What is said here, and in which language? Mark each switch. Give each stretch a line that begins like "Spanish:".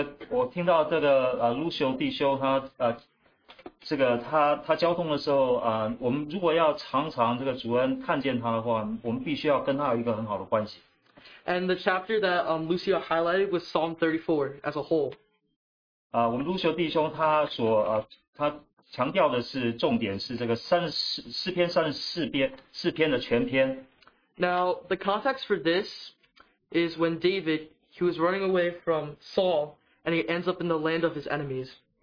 Chinese: 我听到这个卢修弟兄他交通的时候，我们如果要尝尝这个主恩看见他的话，我们必须要跟他有一个很好的关系。
English: And the chapter that Lucio highlighted was Psalm 34 as a whole.
Chinese: 我们卢修弟兄他强调的是重点是这个诗篇34篇的全篇。
English: Now, the context for this is when David, he was running away from Saul, and he ends up in the land of his enemies.